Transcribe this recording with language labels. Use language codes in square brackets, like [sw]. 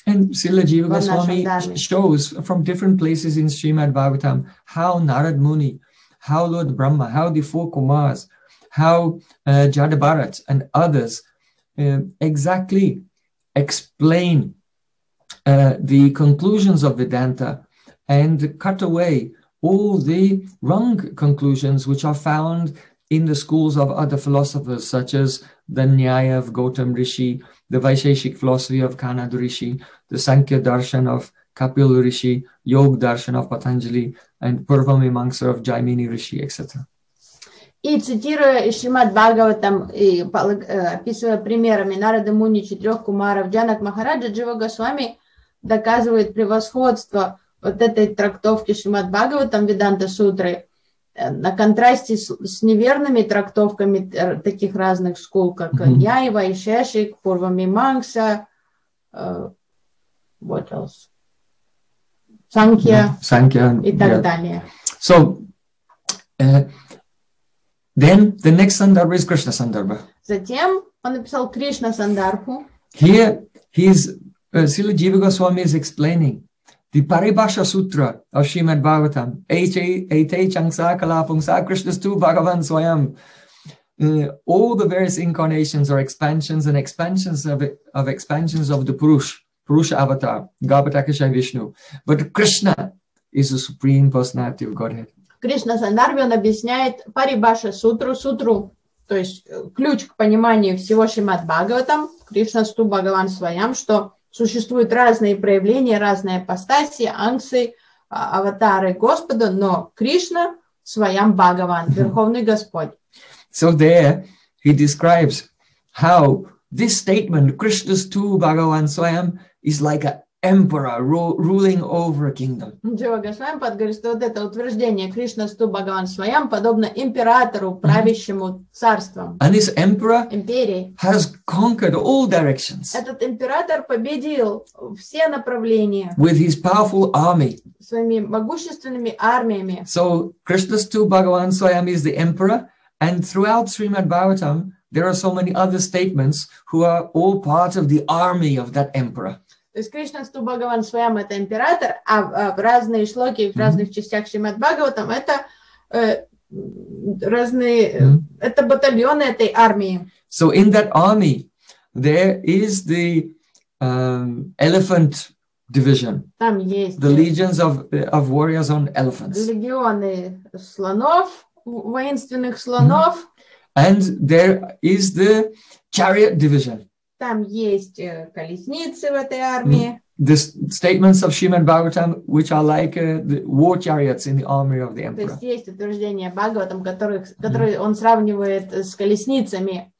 [en] And Srila Jiva Goswami shows from different places in Srimad Bhagavatam how Narad Muni, how Lord Brahma, how the four Kumars, how Jadabharat and others exactly explain the conclusions of Vedanta and cut away all the wrong conclusions which are found in the schools of other philosophers, such as the Nyaya of Gautam Rishi, the Vaisheshik philosophy of Kanad Rishi, the Sankhya Darshan of Kapil Rishi, Yog Darshan of Patanjali, and Purvamimamsa of Jaimini Rishi, etc. [ru] И цитируя Шримад Бхагаватам и описывая примерами Нарада Муни, четырех кумаров, Джанак Махараджа, Джива Госвами доказывает превосходство вот этой трактовки Шримад Бхагаватам Веданта Сутры на контрасте с неверными трактовками таких разных школ, как Яйва, Ишешик, Пурва Мимангса, [en] what else? Sankhya, Sankhya, [ru] и так далее. [en] So, then the next sandarbha is Krishna sandarbha. [ru] Затем он написал Кришна сандарбху. [en] Here he is, Srila Jiva Goswami is explaining the Paribhasha Sutra of Srimad Bhagavatam. [sa] Ete changsa kalapungsa Krishna stu Bhagavan swayam. [en] All the various incarnations are expansions and expansions of expansions of the Purusha avatar, Gaupatakasha Vishnu. But Krishna is the Supreme Personality of Godhead. [ru] Кришна Сандарбе он объясняет Парибаша Сутру, Сутру, то есть ключ к пониманию всего Шримад Бхагаватам, Кришна Сту Бхагаван Своям, что существуют разные проявления, разные апостаси, ангсы, аватары Господа, но Кришна Своям Бхагаван, Верховный Господь. [en] So there he describes how this statement, Krishna Sthu Bhagavan Swayam, is like an emperor ruling over a kingdom. [ru] Джива Госвами подговорит, что вот это утверждение, Krishna Sthu Bhagavan Swayam, подобно императору, правящему царством. [en] And this emperor [ru] Империи. [en] Has conquered all directions. [ru] Этот император победил все направления. [en] With his powerful army. [ru] Своими могущественными армиями. [en] So Krishna Sthu Bhagavan Swayam is the emperor. And throughout Srimad Bhagavatam, there are so many other statements who are all part of the army of that emperor. [ru] То есть Кришна Сту Бхагаван Своям это император, а в разные шлоки, в разных частях Шримад Бхагаватам это разные, это батальоны этой армии. [en] So in that army, there is the elephant division. [ru] Там есть. [en] The legions of warriors on elephants. [ru] Легионы слонов. Воинственных слонов. [en] And there is the chariot division. [ru] Там есть колесницы в этой армии. [en] The statements of Srimad Bhagavatam, which are like the war chariots in the army of the emperor. [ru] То есть есть утверждения Бхагаватам, которые он сравнивает с колесницами.